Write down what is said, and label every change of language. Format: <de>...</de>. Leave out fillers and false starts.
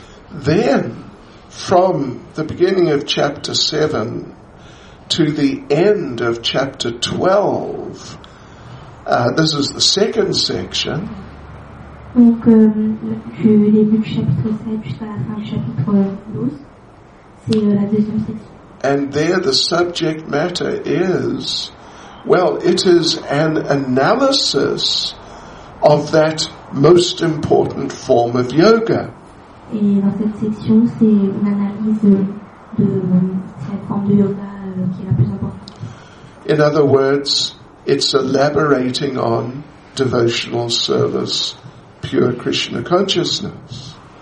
<en>Then, from the beginning of chapter 7 to the end of chapter 12, this is the second section.</en> <fr>Donc, du début du chapitre 7 jusqu'à la fin du chapitre 12, c'est la deuxième section.</fr> <en>And there the subject matter is Well, it is an analysis of that most important form of yoga.</en> <fr>Et dans cette section, c'est une analyse de cette forme de yoga qui est la plus importante.</fr> <en>In other words, it's elaborating on devotional service, pure Krishna consciousness.</en>